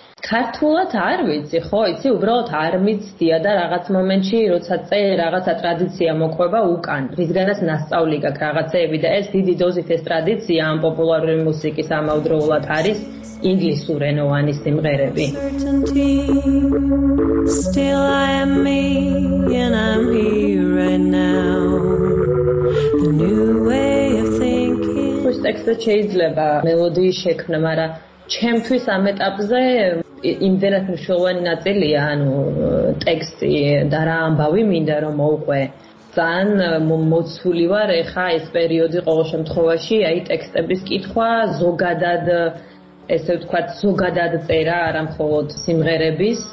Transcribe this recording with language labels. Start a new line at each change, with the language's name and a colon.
Georgian: ქართულად არ ვიცი, ხო, იცი, უბრალოდ არ მიცდია და რაღაც მომენტში როცა წე რაღაცა ტრადიცია მოყვება უკან, რისგანაც ნასწავლი გაქვს რაღაცეები და ეს დიდი დოზით ეს ტრადიცია ამ პოპულარული მუსიკის ამავდროულად არის ინგლისურ ენოვანი სიმღერები.
English: Still I am me and I'm here right now. The new way of thinking.
Georgian: ეს ტექსტი შეიძლება მელოდიის შექმნა, მაგრამ ჩემთვის ამ ეტაპზე იმდენად მნიშვნელოვანი ნაწილია, ანუ ტექსტი და რა ამბავი მინდა რომ მოუყვე. ძალიან მოცული ვარ ახლა ეს პერიოდი ყოველ შემთხვევაში, აი ტექსტების კითხვა ზოგადად, ესე ვთქვათ, ზოგადად წერა, არა მხოლოდ სიმღერების.